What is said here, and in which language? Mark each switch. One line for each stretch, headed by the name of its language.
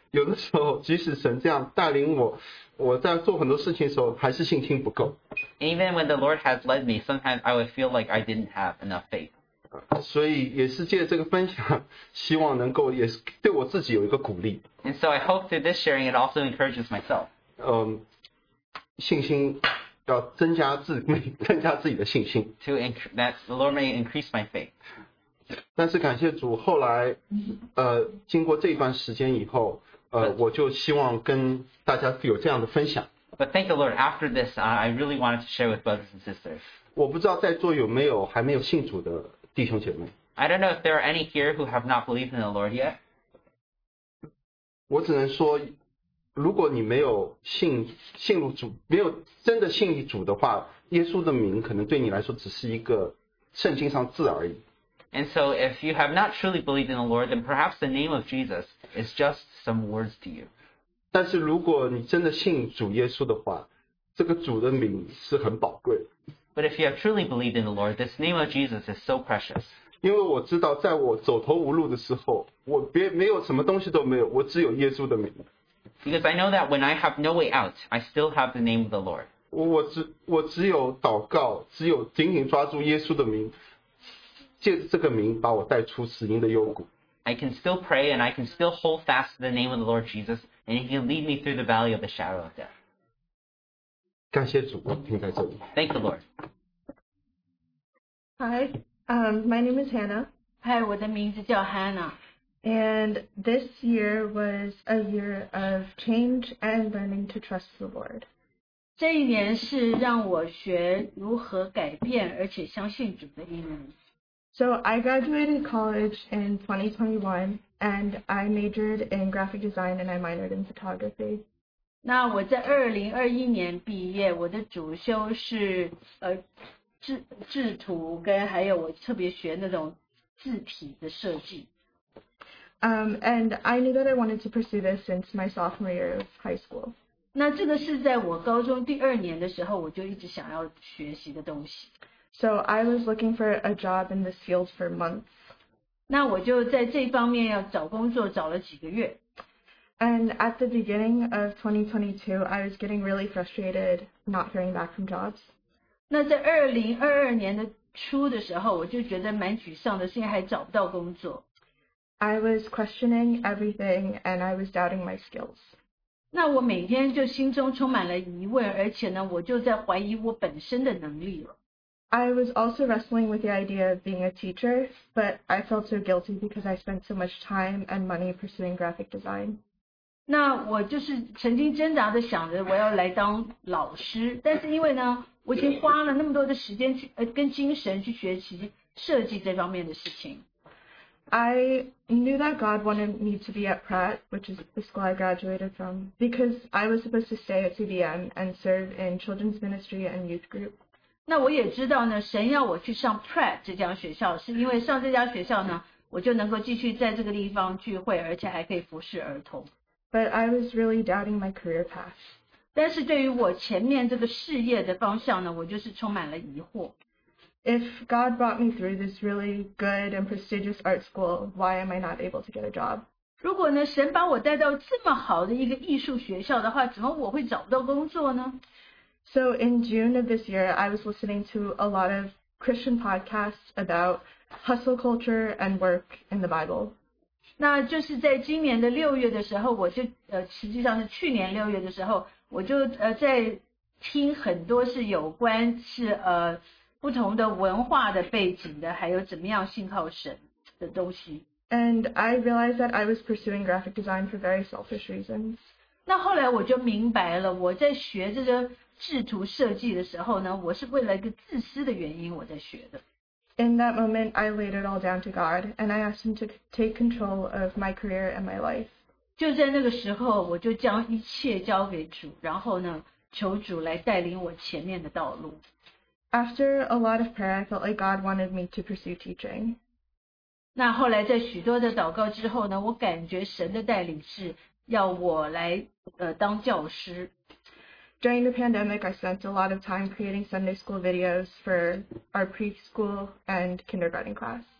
Chinese: 有的时候即使神这样带领我，我在做很多事情的时候还是信心不够。
English: Even when the Lord has led me, sometimes I would feel like I didn't have enough faith.
Chinese: 所以也是借这个分享，希望能够也是对我自己有一个鼓励。
English: And so I hope through this sharing, it also encourages myself.
Chinese: 信心要增加自己，增加自己的信心。
English: To that the Lord may increase my faith.
Chinese: 但是感谢主，后来经过这段时间以后，我就希望跟大家有这样的分享。
English: But thank the Lord. After this, I really wanted to share with brothers and sisters.
Chinese: 我不知道在座有没有还没有信主的。弟兄姐妹
English: I don't know if there are any here who have not believed in the Lord yet.
Chinese: 我只能说，如果你没有信入主，没有真的信主的话，耶稣的名可能对你来说只是一个圣经上字而已。
English: And so, if you have not truly believed in the Lord, then perhaps the name of Jesus is just some words to you.
Chinese: 但是如果你真的信主耶稣的话，这个主的名是很宝贵。
English: But if you have truly believed in the Lord, this name of Jesus is so precious.
Chinese: 因为我知道在我走投无路的时候，我别没有什么东西都没有，我只有耶稣的名。
English: Because I know that when I have no way out, I still have the name of the Lord.
Chinese: 我只有祷告，只有紧紧抓住耶稣的名，借着这个名把我带出死荫的幽谷。
English: I can still pray and I can still hold fast to the name of the Lord Jesus, and he can lead me through the valley of the shadow of death.
Chinese: 感谢主，停在这里。
English: Thank the Lord. Hi, my name is Hannah.
Chinese: Hi, 我的名字叫 Hannah.
English: And this year was a year of change and learning to trust the Lord.
Chinese: 这一年是让我学如何改变而且相信主的一年。
English: So I graduated college in 2021, and I majored in graphic design and I minored in photography.
Chinese: 那我在2021年毕业，我的主修是制图，跟还有我特别学那种字体的设计。
English: And I knew that I wanted to pursue this since my sophomore year of high school.
Chinese: 那这个是在我高中第二年的时候，我就一直想要学习的东西。
English: So I was looking for a job in this field for months.
Chinese: 那我就在这方面要找工作，找了几个月。
English: And at the beginning of 2022, I was getting really frustrated not hearing back from jobs.
Chinese: 那在2022年的初的时候，我就觉得蛮沮丧的，现在还找不到工作。
English: I was questioning everything, and I was doubting my skills.
Chinese: 那我每天就心中充满了疑问，而且呢，我就在怀疑我本身的能力了。
English: I was also wrestling with the idea of being a teacher, but I felt so guilty because I spent so much time and money pursuing graphic design.
Chinese: 那我就是曾经挣扎的想着我要来当老师，但是因为呢，我已经花了那么多的时间去跟精神去学习设计这方面的事情。
English: I knew that God wanted me to be at Pratt, which is the school I graduated from, because I was supposed to stay at CBM and serve in children's ministry and youth group.
Chinese: 那我也知道呢，神要我去上 Pratt 这家学校，是因为上这家学校呢，我就能够继续在这个地方聚会，而且还可以服侍儿童。
English: But I was really doubting my career path.
Chinese: 但是对于我前面这个事业的方向呢，我就是充满了疑惑。
English: If God brought me through this really good and prestigious art school, why am I not able to get a job?
Chinese: 如果呢，神把我带到这么好的一个艺术学校的话，怎么我会找不到工作呢？
English: So in June of this year, I was listening to a lot of Christian podcasts about hustle culture and work in the Bible.
Chinese: 那就是在今年的六月的时候，我就实际上是去年六月的时候，我就在听很多是有关是不同的文化的背景的，还有怎么样信靠神的东西。
English: And I realized that I was pursuing graphic design for very selfish reasons.
Chinese: 那后来我就明白了，我在学这个制图设计的时候呢，我是为了一个自私的原因我在学的。
English: In that moment, I laid it all down to God, and I asked Him to take control of my career and my life.
Chinese: 就在那个时候，我就将一切交给主，然后呢，求主来带领我前面的道路。
English: After a lot of prayer, I felt like God wanted me to pursue teaching.
Chinese: 那后来在许多的祷告之后呢，我感觉神的带领是要我来当教师。
English: During the pandemic, I spent a lot of time creating Sunday school videos for our preschool and kindergarten class.